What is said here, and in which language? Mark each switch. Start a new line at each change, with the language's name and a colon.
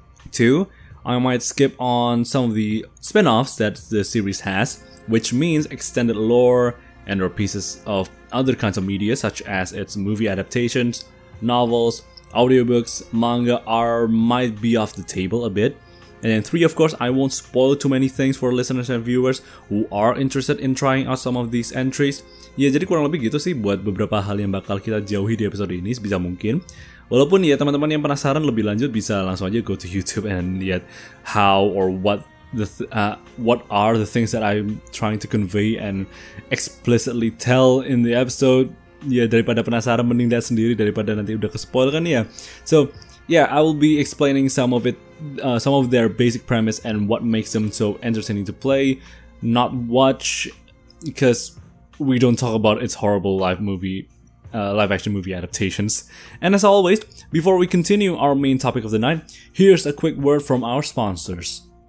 English: Two, I might skip on some of the spin-offs that the series has, which means extended lore and or pieces of other kinds of media such as its movie adaptations, novels, audiobooks, manga are might be off the table a bit. And then three, of course, I won't spoil too many things for listeners and viewers who are interested in trying out some of these entries.
Indonesian: Ya, jadi kurang lebih gitu sih buat beberapa hal yang bakal kita jauhi di episode ini sebisa mungkin. Walaupun ya teman-teman yang penasaran lebih lanjut bisa langsung aja
English: go to YouTube and
Indonesian: lihat
English: how or what are the things that I'm trying to convey and explicitly tell in the episode.
Indonesian: Ya, daripada penasaran mending lihat sendiri daripada nanti udah ke-spoil kan ya.
English: So, yeah, I will be explaining some of it, some of their basic premise and what makes them so entertaining to play, not watch, because we don't talk about its horrible live action movie adaptations. And as always, before we continue our main topic of the night, here's a quick word from our sponsors.